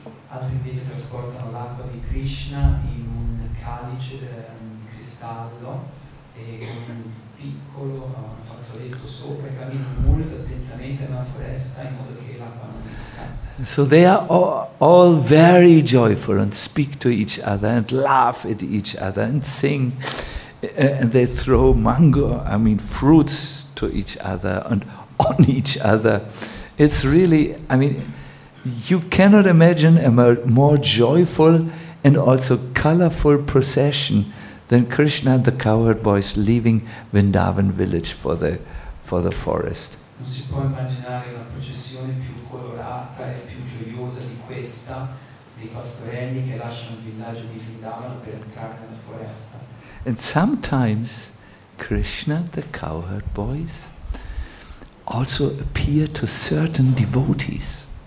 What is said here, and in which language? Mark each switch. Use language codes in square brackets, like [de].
[it] Altri invece trasportano l'acqua di Krishna in un calice di cristallo e con un piccolo fazzoletto sopra e camminano molto attentamente nella foresta in modo che l'acqua non esca. [en] So they are all very joyful and speak to each other and laugh at each other and sing. And they throw fruits to each other and on each other. It's really, you cannot imagine a more joyful and also colorful procession than Krishna and the cowherd boys leaving Vrindavan village for the forest. [it] Non si può immaginare una processione più colorata e più gioiosa di questa dei pastorelli che lasciano il villaggio di Vrindavan per entrare nella foresta. [en] And sometimes Krishna, the cowherd boys, also appear to certain devotees.